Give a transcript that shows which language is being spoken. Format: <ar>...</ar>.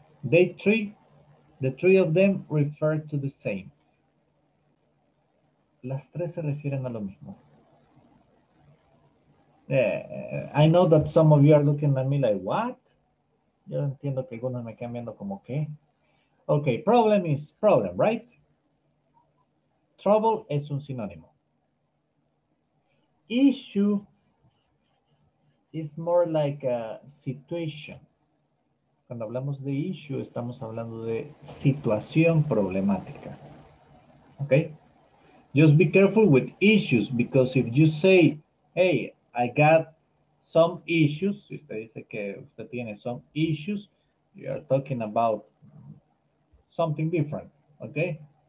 <en>The three of them refer to the same.</en> <es>Las tres se refieren a lo mismo.</es> <en>I know that some of you are looking at me like, what?</en> <es>Yo entiendo que algunos me quedan viendo como qué.</es> <en>Okay, problem is problem, right?</en> <es>Trouble es un sinónimo.</es> <en>Issue is more like a situation.</en> <es>Cuando hablamos de issue, estamos hablando de situación problemática.</es> <en>Okay? Just be careful with issues, because if you say, hey, I got some issues,</en> <es>si usted dice que usted tiene</es> <en>some issues, you are talking about something different, okay?</en>